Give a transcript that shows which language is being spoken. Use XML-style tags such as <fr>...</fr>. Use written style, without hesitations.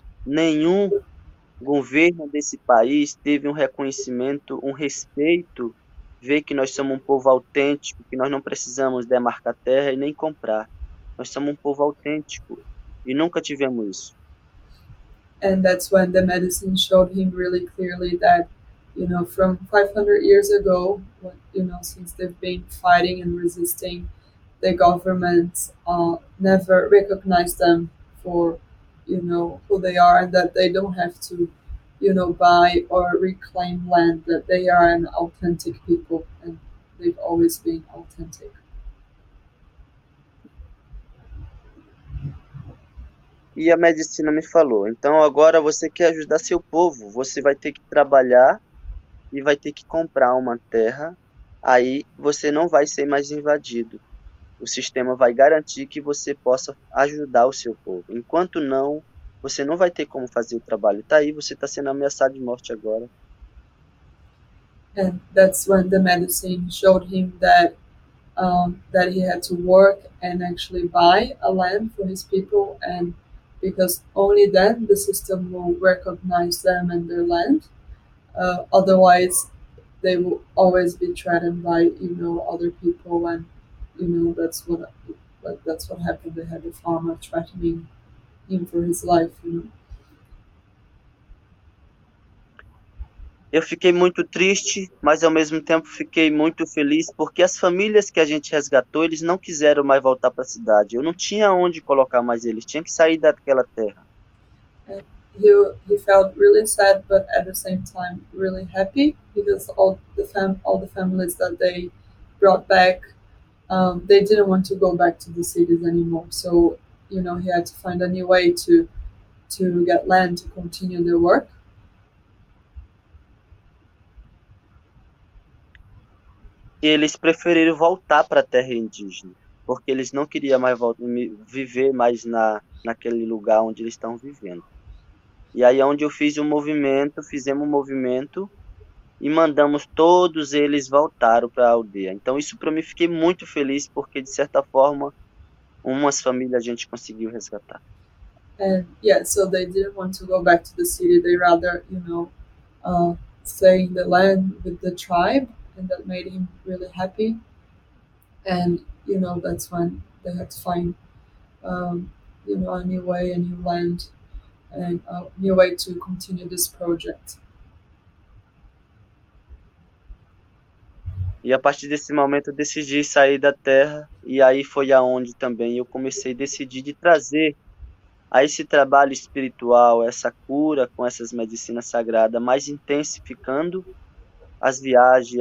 <pt>Nenhum governo desse país teve um reconhecimento, um respeito, ver que nós somos um povo autêntico, que nós não precisamos demarcar terra e nem comprar. Nós somos um povo autêntico e nunca tivemos isso.</pt> <en>And that's when the medicine showed him really clearly that, from 500 years ago, since they've been fighting and resisting, the government never recognized them for, who they are, and that they don't have to, buy or reclaim land, that they are an authentic people, and they've always been authentic.</en> <pt>E a medicina me falou, então agora você quer ajudar seu povo, você vai ter que trabalhar e vai ter que comprar uma terra, aí você não vai ser mais invadido. O sistema vai garantir que você possa ajudar o seu povo. Enquanto não, você não vai ter como fazer o trabalho. Tá aí, você está sendo ameaçado de morte agora.</pt> <en>And that's when the medicine showed him that that he had to work and actually buy a land for his people, and because only then the system will recognize them and their land. Otherwise, they will always be threatened by other people, and that's what happened. They had a farmer threatening him for his life,</en> <pt>Eu fiquei muito triste, mas ao mesmo tempo fiquei muito feliz porque as famílias que a gente resgatou, eles não quiseram mais voltar para a cidade. Eu não tinha onde colocar mais eles, tinha que sair daquela terra.</pt> <en>He felt really sad, but at the same time really happy, because all the families that they brought back, they didn't want to go back to the cities anymore. So, he had to find a new way to get land to continue their work.</en> <pt>E eles preferiram voltar para a terra indígena, porque eles não queriam mais voltar, viver mais naquele lugar onde eles estão vivendo. E aí é onde eu fiz o um movimento, fizemos um movimento e mandamos todos eles voltaram para a aldeia. Então isso para mim fiquei muito feliz porque de certa forma umas famílias a gente conseguiu resgatar.</pt> <en>Yeah, so they didn't want to go back to the city. They rather, stay in the land with the tribe, and that made him really happy. And that's when they had to find, a new way, a new land, and a new way to continue this project.</en> <pt>E a partir desse momento eu decidi sair da terra, e aí foi aonde também eu comecei a decidir de trazer a esse trabalho espiritual, essa cura com essas medicinas sagradas, mais intensificando as viagens.</pt>